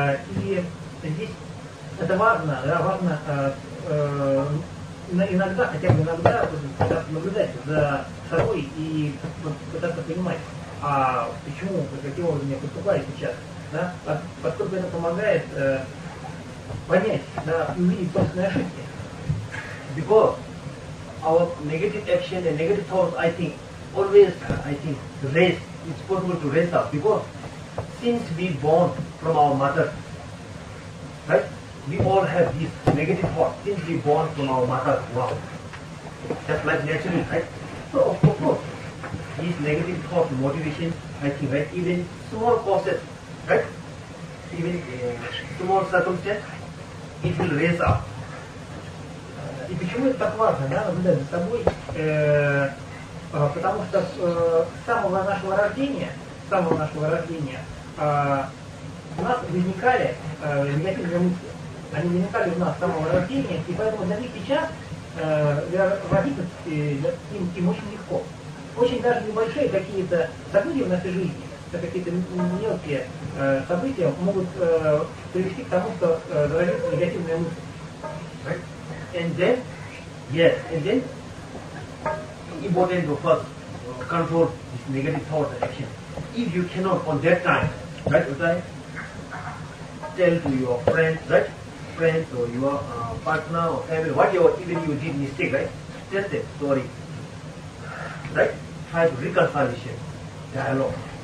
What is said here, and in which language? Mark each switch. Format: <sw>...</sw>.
<ru>И здесь это важно, да, важно иногда, хотя бы иногда наблюдать за собой и пытаться понимать, а почему, каким образом я поступаю сейчас, да, поскольку это помогает понять, да, и увидеть собственные ошибки.</ru> <en>Our negative action and negative thoughts, I think, always, I think, raise, it's possible to raise up, because since we born from our mother, right, we all have these negative thoughts, since we born from our mother's womb. That's like naturally, right? So, of course, these negative thoughts, motivation, I think, right, even small causes, right, even small circumstances, it will raise up.</en> <ru>И почему это так важно, да, наблюдать за собой? Потому что с самого нашего рождения, у нас возникали негативные мысли. Они возникали у нас с самого рождения, и поэтому для них сейчас родиться им очень легко. Очень даже небольшие какие-то события в нашей жизни, какие-то мелкие события могут привести к тому, что родится негативная мысль.</ru> <en>And then, yes, and then, important to first control this negative thought and action. If you cannot on that time, right, Uday, tell to your friends, right, friends or your partner or family, whatever, even you did mistake, right, tell them, sorry, right, try to reconciliation, dialogue.</en>